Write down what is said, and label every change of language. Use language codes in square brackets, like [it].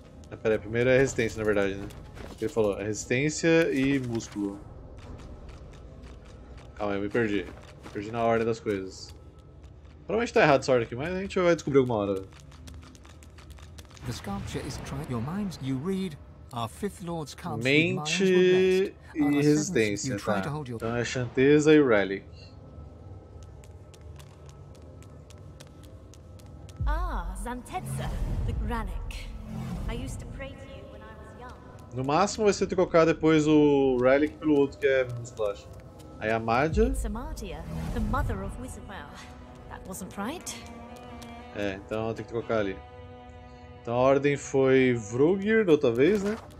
[pt] Ah, peraí, primeiro é resistência, na verdade, né? Ele falou, resistência e músculo. Calma aí, eu me perdi. Perdi na ordem das coisas. Provavelmente tá errado essa ordem aqui, mas a gente vai descobrir alguma hora. [en] The sculpture is trying your mind, you read. [pt] Mente e resistência, tá. Então é chanteza e relic. [en] Ah, Zantetsa, the relic. I used to pray to you when I was young. [pt] No máximo vai ser trocar depois o relic pelo outro que é Splash. Aí a Magia. [en] Samadia, the mother of Wizardwell. That wasn't right. [pt] É, então tem que trocar ali. Então a ordem foi Vrogir da outra vez, né?